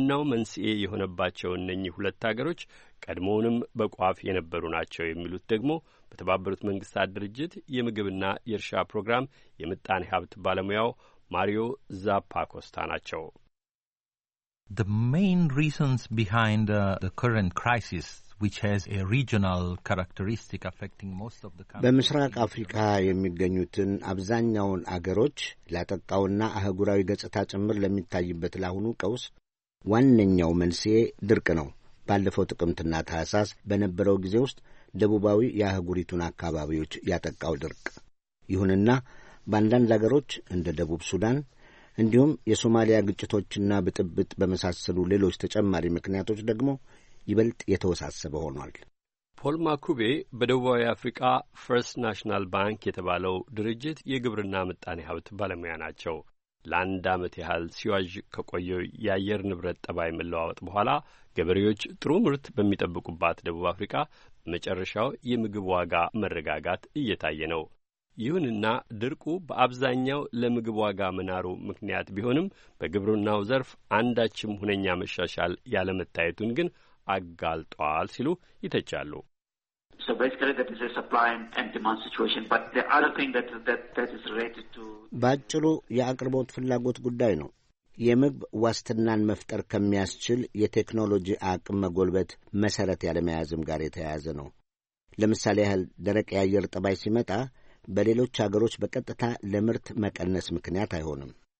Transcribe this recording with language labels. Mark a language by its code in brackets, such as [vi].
[am] መንስኤ የሆነባቸው እነኚህ ሁለት አገሮች ቀድሞውንም በቋፍ የነበሩ ናቸው የሚሉት ደግሞ በተባበሩት መንግስታት ድርጅት የምግብና የእርሻ ፕሮግራም የምጣኔ ሀብት ባለሙያው ማሪዮ ዛፓ ኮስታ ናቸው። [en] The main reasons behind the current crisis, which has a regional characteristic affecting most of the countries. [am] በምስራቅ አፍሪካ የሚገኙትን አብዛኛውን አገሮች ለጠቃውና አህጉራዊ ገጽታ ጭምር ለሚታይበት ለአሁኑ ቀውስ ዋነኛው መንስኤ ድርቅ ነው። ባለፈው ጥቅምትና ታህሳስ በነበረው ጊዜ ውስጥ ደቡባዊ የአህጉሪቱን አካባቢዎች ያጠቃው ድርቅ። ይሁንና በአንዳንድ አገሮች እንደ ደቡብ ሱዳን እንዲሁም የሶማሊያ ግጭቶችና ብጥብጥ በመሳሰሉ ሌሎች ተጨማሪ ምክንያቶች ደግሞ ይበልጥ የተወሳሰበ ሆኗል። ፖል ማኩቤ በደቡባዊ አፍሪካ ፈርስት ናሽናል ባንክ የተባለው ድርጅት የግብርና ምጣኔ ሀብት ባለሙያ ናቸው። ለአንድ አመት ያህል ሲዋዥ ከቆየው የአየር ንብረት ጠባይ መለዋወጥ በኋላ ገበሬዎች ጥሩ ምርት በሚጠብቁባት ደቡብ አፍሪካ መጨረሻው የምግብ ዋጋ መረጋጋት እየታየ ነው። ይሁንና ድርቁ በአብዛኛው ለምግብ ዋጋ መናሩ ምክንያት ቢሆንም በግብርናው ዘርፍ አንዳችም ሁነኛ መሻሻል ያለመታየቱን ግን አጋልጧል ሲሉ ይተቻሉ። [en] So basically that is a supply and demand situation, but the other thing that is related to [am] ባጭሩ የአቅርቦት ፍላጎት ጉዳይ ነው። የምግብ ዋስትናን መፍጠር ከመያዝችል የቴክኖሎጂ አቅም መጎልበት መሰረት ያለመያዝም ጋር የተያያዘ ነው። ለምሳሌ ያህል ደረቅ የአየር ጠባይ ሲመጣ በሌሎች አገሮች በቀጥታ ለምርት መቀነስ ምክንያት አይሆንም።